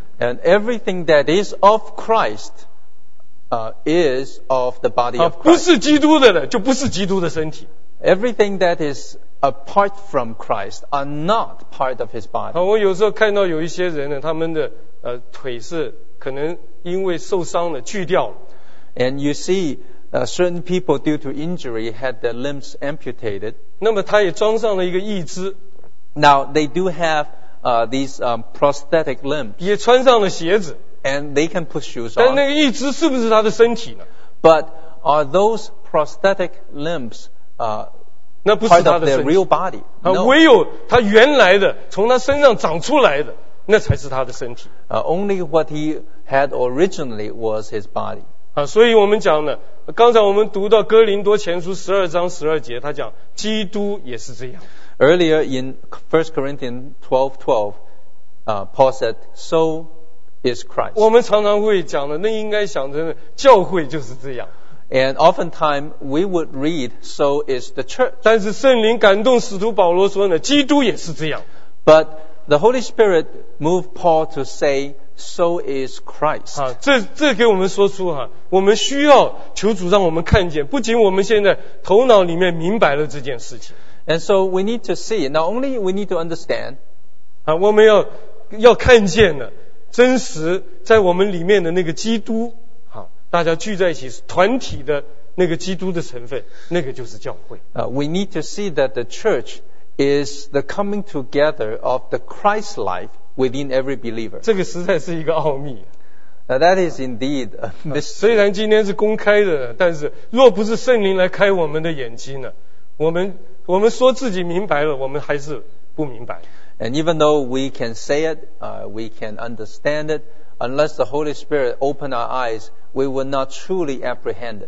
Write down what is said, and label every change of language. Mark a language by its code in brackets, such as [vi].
[en] And everything that is of Christ, is of the body of Christ. [zh] 不是基督的呢，就不是基督的身体。 [en] Everything that is apart from Christ are not part of his body. [zh] 我有时候看到有一些人呢，他们的腿是可能因为受伤了锯掉了 [en] And you see certain people due to injury had their limbs amputated [zh] 那么他也装上了一个义肢 [en] Now they do have these prosthetic limbs [zh] 也穿上了鞋子 [en] And they can put shoes on [zh] 但那个义肢是不是他的身体呢 [en] But are those prosthetic limbs [zh] 那不是他的身体 [en] part of their real body、 no. [zh] 唯有他原来的从他身上长出来的那才是他的身体 [en] Only what he had originally was his body [zh] 所以我们讲呢刚才我们读到哥林多前书十二章十二节他讲基督也是这样 [en] Earlier in 1 Corinthians 12:12 Paul said so is Christ [zh] 我们常常会讲的那应该想着教会就是这样 [en] And oftentimes we would read, so is the church. [zh] 但是圣灵感动使徒保罗说呢，基督也是这样。 [en] But the Holy Spirit moved Paul to say, so is Christ. [zh] 啊，这给我们说出哈，我们需要求主让我们看见，不仅我们现在头脑里面明白了这件事情。 [en] And so we need to see, not only we need to understand. [zh] 啊，我们要看见的真实在我们里面的那个基督，大家聚在一起团体的那个基督的成分，那个就是教会。 [en] We need to see that the church is the coming together of the Christ life within every believer. [zh] 这个实在是一个奥秘。 [en] That is indeed a mystery. [zh] 虽然今天是公开的，但是若不是圣灵来开我们的眼睛呢，我们说自己明白了，我们还是不明白。 [en] And even though we can say it, we can understand it, unless the Holy Spirit open our eyes, we will not truly apprehend it.